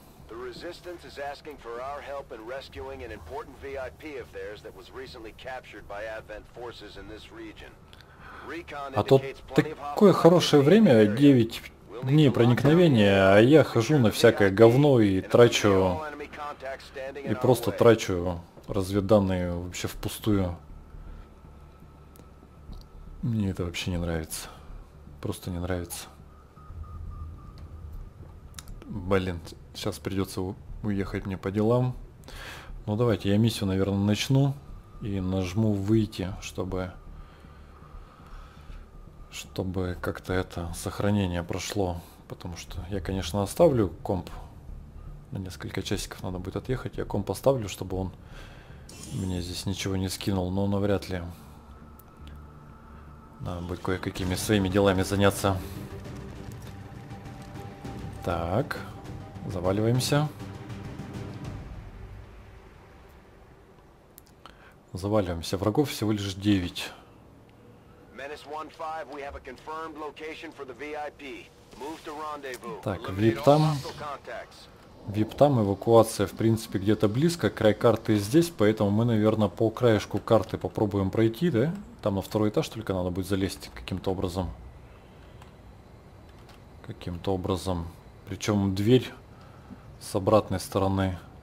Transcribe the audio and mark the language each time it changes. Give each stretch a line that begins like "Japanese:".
English: Resistance is asking for our help in rescuing an important VIP of theirs that was recently captured by Advent forces in this region. Recon indicates
Russian: такое хорошее время, 9 дней проникновения, а я хожу на всякое говно и трачу... И просто трачу разведданные вообще впустую. Мне это вообще не нравится. Просто не нравится. Блин, сейчас придется уехать мне по делам. Ну давайте, я миссию, наверное, начну. И нажму выйти, чтобы как-то это сохранение прошло. Потому что я, конечно, оставлю комп. На несколько часиков надо будет отъехать. Я комп оставлю, чтобы он мне здесь ничего не скинул. Но навряд ли. Надо будет кое-какими своими делами заняться. Так... Заваливаемся. Врагов всего лишь 9.
English: S15, we have a confirmed location for the VIP. Move to rendezvous.
Russian: Так, VIP там. VIP там, эвакуация, в принципе, где-то близко. Край карты здесь, поэтому мы, наверное, по краешку карты попробуем пройти, да? Там на второй этаж только надо будет залезть каким-то образом. Каким-то образом. Причем дверь с обратной стороны.